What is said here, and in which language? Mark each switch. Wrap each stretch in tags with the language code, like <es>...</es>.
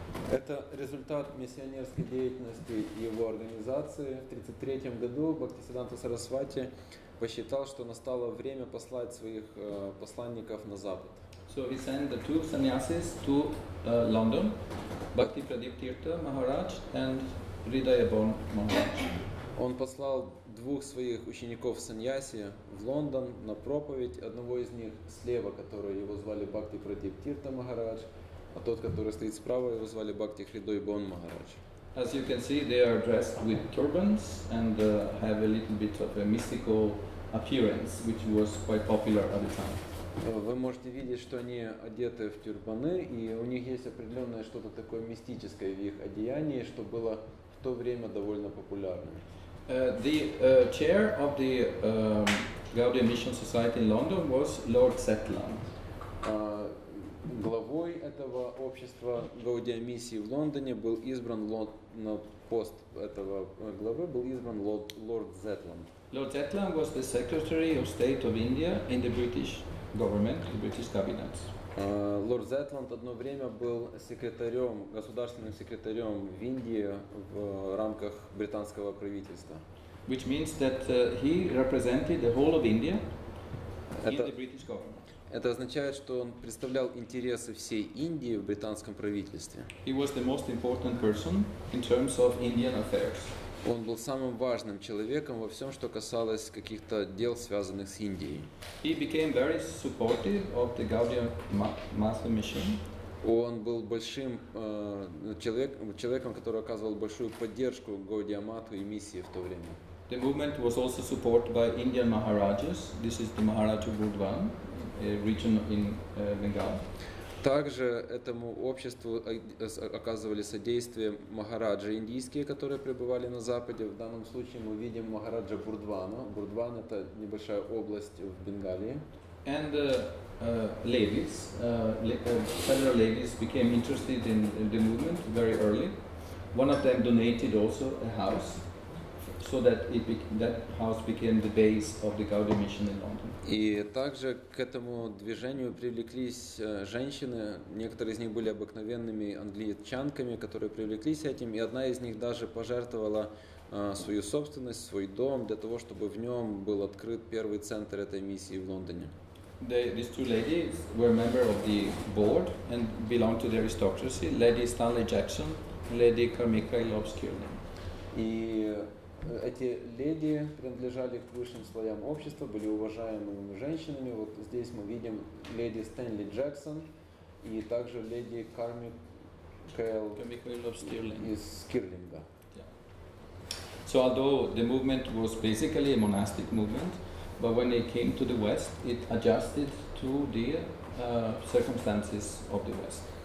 <ru>Это результат миссионерской деятельности его организации. В 1933 году Бхактисиддханта Сарасвати посчитал, что настало время послать своих посланников на Запад.</ru> <en>So he sent the two sannyasis to London, Bhakti Pradip Tirtha Maharaj and Ridayabon Maharaj.</en> <ru>Он послал двух своих учеников саньяси в Лондон на проповедь. Одного из них слева, который его звали Бхакти Прадип Тирта Махарадж, а тот, который стоит справа, его звали Бхакти Хридой Бон Махарадж.</ru> <en>As you can see, they are dressed with turbans and have a little bit of a mystical appearance, which was quite popular at the time.</en> <ru>Вы можете видеть, что они одеты в тюрбаны, и у них есть определенное что-то такое мистическое в их одеянии, что было в то время довольно популярным.</ru> <en>The chair of the Gaudiya Mission Society in London was Lord Setland.</en> <ru>Главой этого общества Гаудия Миссии в Лондоне был избран лорд, на пост этого главы был избран лорд Зетланд.</ru> <en>Lord Zetland was the Secretary of State of India in the British government, the British cabinet.</en> <ru>Лорд Зетланд одно время был секретарем, государственным секретарем в Индии в рамках британского правительства.</ru> <en>Which means that he represented the whole of India in the British government.</en> <ru>Это означает, что он представлял интересы всей Индии в британском правительстве.</ru> <en>He was the most important person in terms of Indian affairs.</en> <ru>Он был самым важным человеком во всем, что касалось каких-то дел, связанных с Индией.</ru> <en>He became very supportive of the Gaudiya Mission mission.</en> <ru>Он был большим человеком, который оказывал большую поддержку Гаудия Матху и миссии в то время.</ru> <en>The movement was also supported by Indian Maharajas. This is the Maharaja Burdwan. Region in Bengal.</en> <ru>Также этому обществу оказывали содействие махараджи индийские, которые пребывали на западе. В данном случае мы видим махараджа Бурдвана. Бурдван — это небольшая область в Бенгалии.</ru> <en>And ladies, several ladies became interested in the movement very early. One of them donated also a house, so that it that house became the base of the Gaudiya Mission in London.</en> <ru>И также к этому движению привлеклись женщины, некоторые из них были обыкновенными англичанками, которые привлеклись этим, и одна из них даже пожертвовала свою собственность, свой дом для того, чтобы в нем был открыт первый центр этой миссии в Лондоне.</ru> <en>These two ladies were members of the board and belonged to the aristocracy, Lady Stanley Jackson and Lady Carmichael Lobskirner.</en> <ru>И эти леди принадлежали к высшим слоям общества, были уважаемыми женщинами. Вот здесь мы видим леди Стэнли Джексон и также леди Кармикейл из Скирлинга.</ru> <en>Yeah. So although the movement was basically a monastic movement, but when it came to the West, it adjusted to the circumstances of the West.</en>